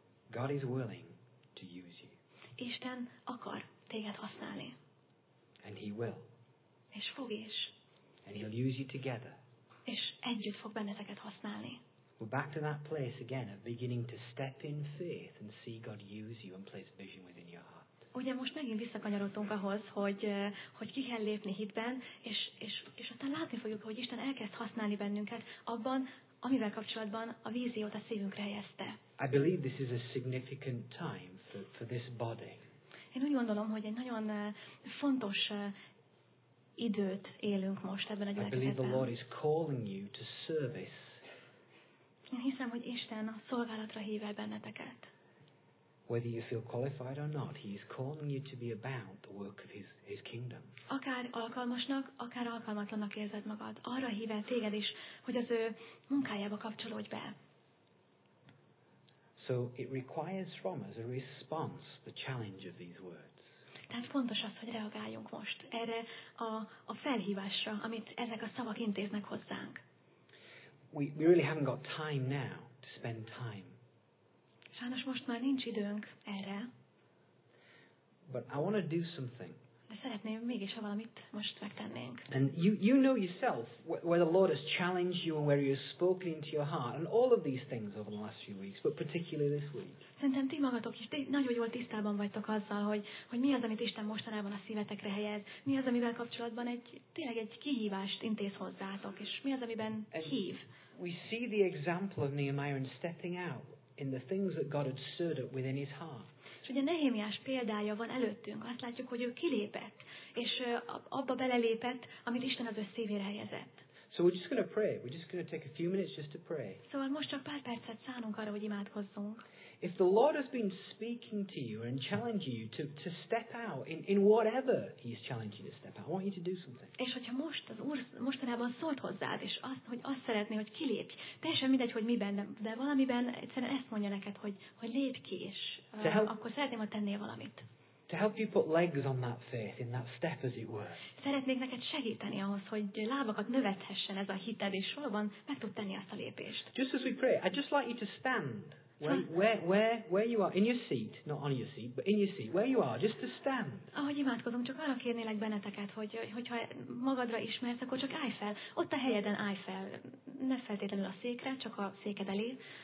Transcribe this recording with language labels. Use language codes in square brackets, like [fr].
[en] God is willing to use you. [hu] Isten akar téged használni. [en] And he will. [hu] És fog is. [en] And he'll use you together. [hu] És együtt fog benneteket használni. [en] We're back to that place again of beginning to step in faith and see God use you and place vision within your heart. [hu] Ugye most megint visszakanyarodtunk ahhoz, hogy ki kell lépni hitben, és aztán látni fogjuk, hogy Isten elkezd használni bennünket abban, amivel kapcsolatban a víziót a szívünkre helyezte. [en] I believe this is a significant time for this body. [hu] Én úgy gondolom, hogy egy nagyon fontos időt élünk most ebben a gyülekezetben. [en] I believe the Lord is calling you to service. [hu] Én hiszem, hogy Isten a szolgálatra hív el benneteket. [en] Whether you feel qualified or not, he is calling you to be about the work of his kingdom. [hu] Akár alkalmasnak, akár alkalmatlannak érzed magad, arra hív el téged is, hogy az ő munkájába kapcsolódj be. [en] So it requires from us a response to the challenge of these words. [hu] Tehát fontos az, hogy reagáljunk most erre a felhívásra, amit ezek a szavak intéznek hozzánk. [en] We really haven't got time now to spend time. [hu] Sajnos most már nincs időnk erre. [en] But I want to do something. [hu] De szeretném mégis, ha valamit most megtennénk. [en] And you know yourself where the Lord has challenged you and where he has spoken into your heart and all of these things over the last few weeks, but particularly this week. [hu] Szerintem ti magatok is nagyon jól tisztában vagytok azzal, hogy mi az, amit Isten mostanában a szívetekre helyez, mi az, amivel kapcsolatban tényleg egy kihívást intéz hozzátok, és mi az, amiben hív. [en] We see the example of Nehemiah in stepping out in the things that God had stirred up within his heart. [hu] És ugye Nehémiás példája van előttünk. Azt látjuk, hogy ő kilépett, és abba belelépett, amit Isten az ő szívére helyezett. [en] So we're just going to pray. We're just going to take a few minutes just to pray. [hu] Szóval most csak pár percet szánunk arra, hogy imádkozzunk. [en] If the Lord has been speaking to you and challenging you to step out in whatever he's challenging you to step out, I want you to do something. [hu] És hogyha most az Úr mostanában szólt hozzád, és azt szeretné, hogy kilépj, teljesen mindegy, hogy miben, de valamiben egyszerűen ezt mondja neked, hogy lépj ki, és akkor szeretném, ha tennél valamit. [en] To help you put legs on that faith in that step, as it were. [hu] Szeretnék neked segíteni ahhoz, hogy lábakat növethessen ez a hited, és valóban meg tud tenni azt a lépést. [en] Just as we pray, I'd just like you to stand. Where you are, in your seat, not on your seat, but in your seat, where you are, just to stand. [hu] Ahogy imádkozom, csak arra kérnélek benneteket, hogyha magadra ismersz, akkor csak állj fel, ott a helyeden állj fel, ne feltétlenül a székre, csak a széked elé.